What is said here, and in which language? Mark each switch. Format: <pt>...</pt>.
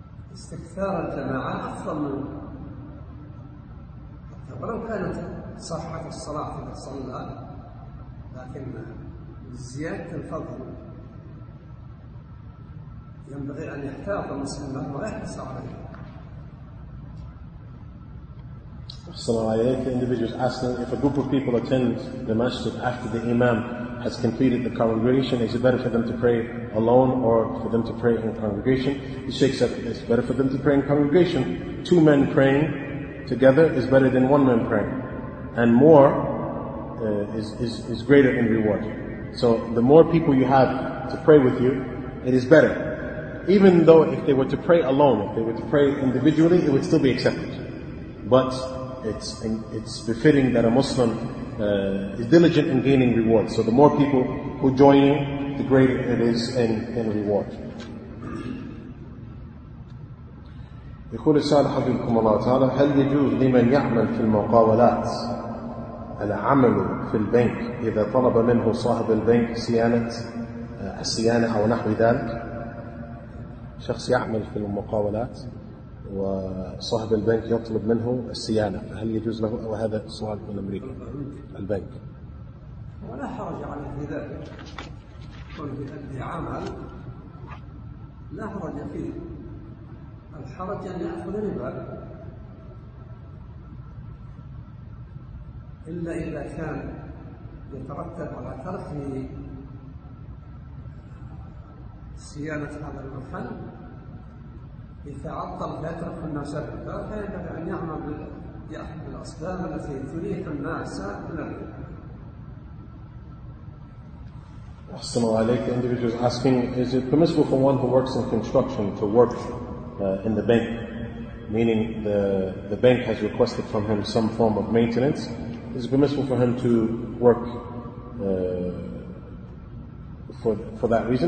<ar>فاستكثار الجماعة أفضل من حتى ولو كانت صحة الصلاة إذا صلى، لكن زيادة الفضل ينبغي أن يحتاط المسلم ويحرص عليه.</ar> <en>The individual is asking, if a group of people attend the masjid after the imam has completed the congregation, is it better for them to pray alone or for them to pray in congregation? The Shaykh said, it's better for them to pray in congregation. Two men praying together is better than one man praying. And more is greater in reward. So the more people you have to pray with you, it is better. Even though if they were to pray alone, if they were to pray individually, it would still be accepted. But it's befitting that a Muslim is diligent in gaining rewards. So the more people who join you, the greater it is in reward.</en> <ar>يقول السائل حفظكم الله تعالى هل يجوز لمن يعمل في المقاولات العمل في البنك إذا طلب منه صاحب البنك صيانة أو نحو ذلك شخص يعمل في المقاولات وصاحب البنك يطلب منه الصيانة هل يجوز له وهذا سؤال من أمريكا البنك ولا حرج على في ذلك كل بأدي عمل لا حرج فيه الحرج أن يأخذ ربا إلا إذا كان يترتب على تركه صيانة هذا المحل يتعطل فيترك الناس ربا فيجب أن يعمل بالأسباب التي تريح الناس من الربا أحسن الله عليك.</ar> <en>The individual is asking, is it permissible for one who works in construction to work in the bank, meaning the bank has requested from him some form of maintenance, is it permissible for him to work for that reason?</en>